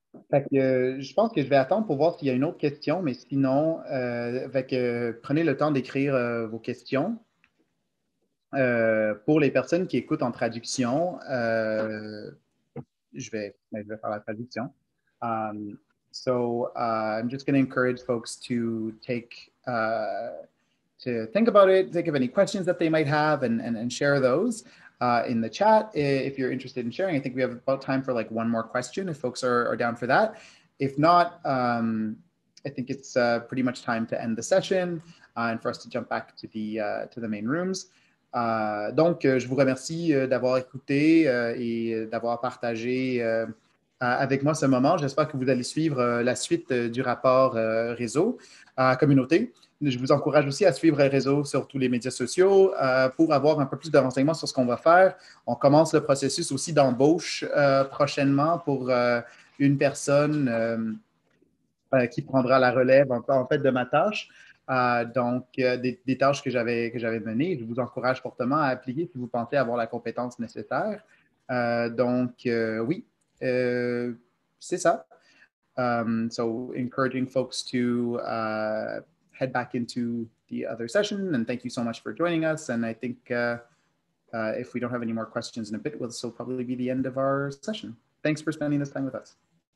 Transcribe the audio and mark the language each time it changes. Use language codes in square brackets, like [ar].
[fr] Fait que, je pense que je vais attendre pour voir s'il y a une autre question, mais sinon, fait que, prenez le temps d'écrire vos questions. Pour les personnes qui écoutent en traduction, je vais faire la traduction. [en] I'm just going to encourage folks to think about it, think of any questions that they might have, and share those in the chat if you're interested in sharing. I think we have about time for like one more question if folks are down for that. If not, I think it's pretty much time to end the session and for us to jump back to the main rooms. [fr] Je vous remercie d'avoir écouté et d'avoir partagé avec moi ce moment. J'espère que vous allez suivre la suite du rapport réseau à communauté. Je vous encourage aussi à suivre Réseau sur tous les médias sociaux pour avoir un peu plus de renseignements sur ce qu'on va faire. On commence le processus aussi d'embauche prochainement pour une personne qui prendra la relève en fait de ma tâche. Des tâches que j'avais menées. Je vous encourage fortement à appliquer si vous pensez avoir la compétence nécessaire. C'est ça. [en] Encouraging folks to head back into the other session. And thank you so much for joining us. And I think if we don't have any more questions in a bit, we'll still probably be the end of our session. Thanks for spending this time with us.